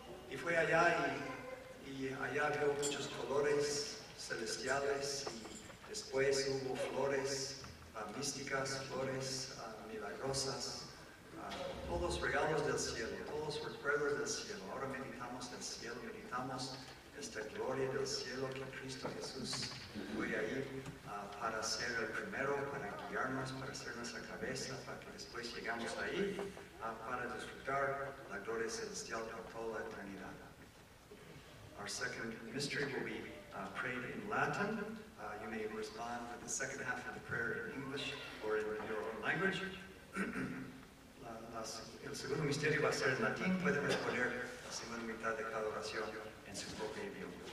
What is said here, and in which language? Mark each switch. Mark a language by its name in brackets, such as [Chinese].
[Spanish] Y fue allá y allá vio muchos colores celestiales, y después hubo flores místicas, flores milagrosas, todos regalos del cielo, todos recuerdos del cielo. Ahora meditamos del cielo, meditamos esta gloria del cielo que Cristo Jesús fue ahí para ser el primero, para guiarnos, para ser nuestra cabeza, para que después llegamos ahí para disfrutar la gloria celestial por toda la eternidad. [English] Our second mystery will be prayed in Latin. You may respond with the second half of the prayer in English or in your own language. [Spanish] El segundo misterio va a ser en latín. Pueden responder la segunda mitad de cada oración en su propio idioma.